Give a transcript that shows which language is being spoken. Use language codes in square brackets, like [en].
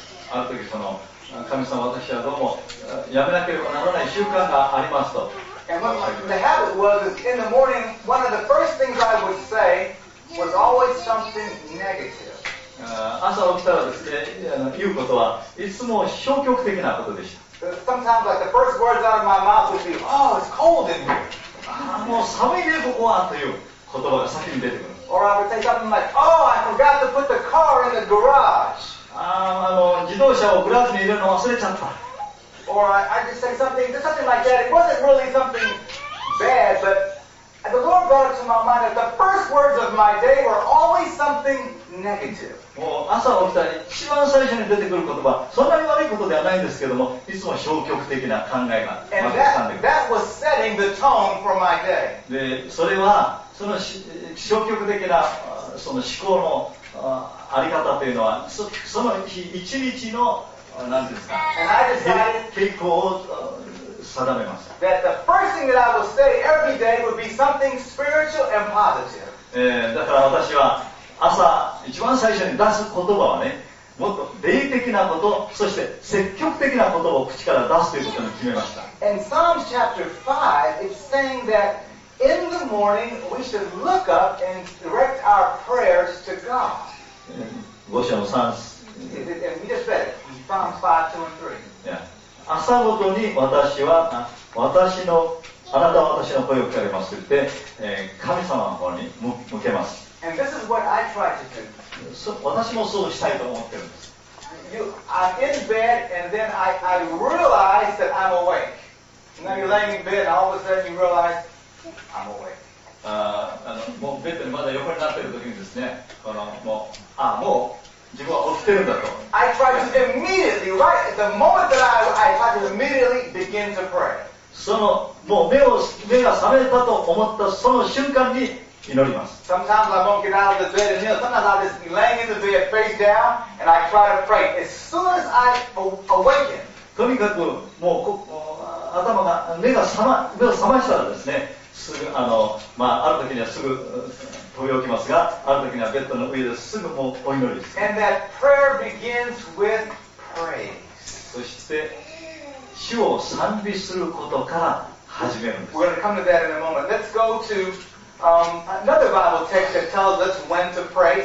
[ja] ある時その神様、私はどうもやめなければならない習慣がありますと。 [en] And the habit was in the morning, one of the first things I would say was always something negative. [ja] 朝起きたらですね、言うことはいつも消極的なことでした。 [en] Sometimes like the first words out of my mouth would be, oh, it's cold in here. [ja] もう寒いね、ここはという言葉が先に出てくる。 [en] Or I would say something like, oh, I forgot to put the car in the garage. [ja] あの自動車をグラスに入れるの忘れちゃった。 [en] Or I just say something like that. It wasn't really something bad, but the Lord brought it to my mind that the first words of my day were always something negative. [ja] もう朝起きたら一番最初に出てくる言葉、そんなに悪いことではないんですけども、いつも消極的な考えが。 [en] That was setting the tone for my day. [ja] で、それはその消極的なその思考のあり方というのは、その日一日の何ですか、傾向を定めました。 [en] That the first thing that I would say every day would be something spiritual and positive. [ja] だから私は朝一番最初に出す言葉はね、もっと霊的なこと、そして積極的なことを口から出すということに決めました。 [en] And Psalms chapter 5 is saying thatIn the morning, we should look up and direct our prayers to God. [ja] 五章の三 [en] 節。We just read Psalms 5, 2 and 3. Yeah. [ja] 朝ごとに私は、私の、あなたは私の声を聞かれますって言って、神様の方に向けます。 [en] And this is what I try to do. [ja] 私もそうしたいと思ってるんです。 [en] I'm in bed and then I realize that I'm awake. Now you're laying in bed and all of a sudden you realize,I'm awake. [ja] もうベッドにまだ横になっている時にですね、このもう、あ、もう自分は起きてるんだと。 [en] I try to immediately, right at the moment that I try to immediately begin to pray. [ja] そのもう目が覚めたと思ったその瞬間に祈ります。 [en] Sometimes I won't get out of the bed and kneel. Sometimes I'm just laying in the bed face down and I try to pray. As soon as I awaken. [ja] とにかくもう頭が目が覚ましたらですね、すぐ、まあ、ある時にはすぐ飛び起きますが、ある時にはベッドの上ですぐもうお祈りです。 [en] And that prayer begins with praise. [ja] そして、主を賛美することから始めるんです。 [en] We're going to come to that in a moment. Let's go to、another Bible text that tells us when to pray.